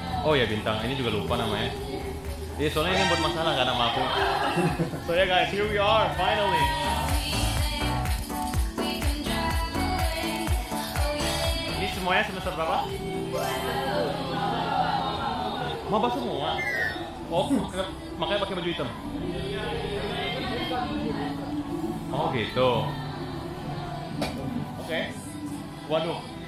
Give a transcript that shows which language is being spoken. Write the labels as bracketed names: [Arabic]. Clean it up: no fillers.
[Indonesian] Oh ya Bintang, ini juga lupa namanya. Jadi soalnya ini buat masalah gak nama aku. [English] So yeah guys, here we are, finally. [Indonesian] Ini semuanya semester berapa? Maba semua. Oh, makanya pakai baju hitam. Oh gitu. Oke. Okay. Waduh.